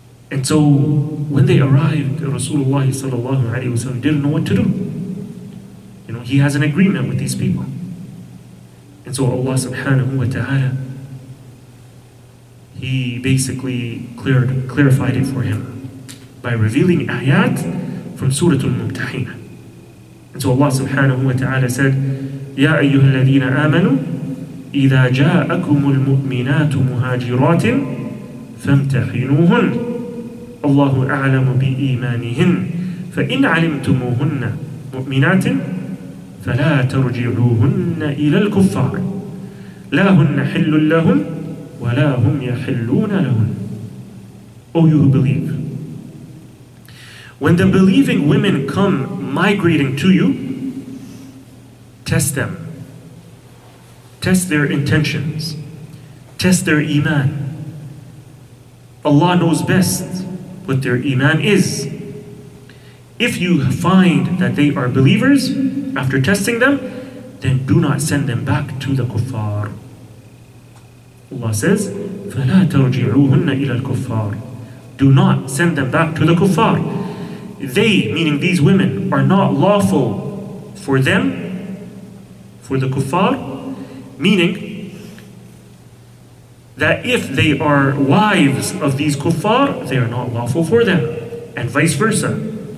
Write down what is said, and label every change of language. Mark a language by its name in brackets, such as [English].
[English] And so when they arrived, Rasulullah sallallahu alaihi wasallam didn't know what to do. You know, he has an agreement with these people. And so Allah subhanahu wa ta'ala, he basically clarified it for him by revealing ayat from Surah Al-Mumtahina. And so Allah subhanahu wa ta'ala said, [Arabic] يَا أَيُّهَا الَّذِينَ آمَنُوا إِذَا جَاءَكُمُ الْمُؤْمِنَاتُ مُهَاجِرَاتٍ فَامْتَحِنُوهُنْ اللَّهُ أَعْلَمُ بِإِيمَانِهِنْ فَإِنْ عَلِمْتُمُوهُنَّ مُؤْمِنَاتٍ فَلَا تَرْجِعُوهُنَّ إِلَى الْكُفَّارِ لَا هُنَّ حِلٌّ لَهُمْ وَلَا هُمْ يَحِلُّونَ لَهُمْ. [English] O you who believe, when the believing women come migrating to you, test them. Test their intentions. Test their iman. Allah knows best what their iman is. If you find that they are believers, after testing them, then do not send them back to the kuffar. Allah says, [Arabic] فَلَا تَرْجِعُوهُنَّ إِلَى الْكُفَّارِ. [English] Do not send them back to the kuffar. They, meaning these women, are not lawful for them, for the kuffar, meaning that if they are wives of these kuffar, they are not lawful for them, and vice versa.